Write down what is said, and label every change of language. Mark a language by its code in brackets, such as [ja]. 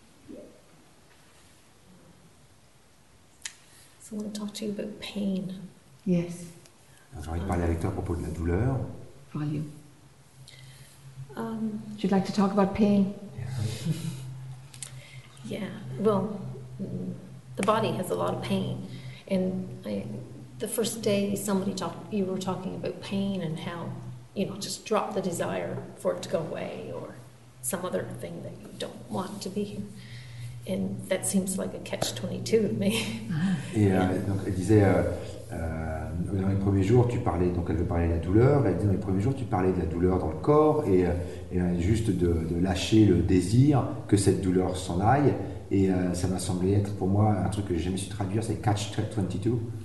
[en] I want to talk to you about pain. Yes. [fr] J'ai envie de parler avec toi à propos de la douleur. [en] For you. You'd like to talk about pain? Yeah. Yeah. Well, the body has a lot of pain. And the first day somebody talked, you were talking about pain and how, you know, just drop the desire for it to go away or some other thing that you don't want to be here. And that seems like a catch 22 to me. [fr] Et donc elle disait dans les premiers jours tu parlais, donc elle veut parler de la douleur, elle dit dans les premiers jours tu parlais de la douleur dans le corps et juste de lâcher le désir que cette douleur s'en aille, et ça m'a semblé être pour moi un truc que j'ai jamais su traduire, c'est catch 22.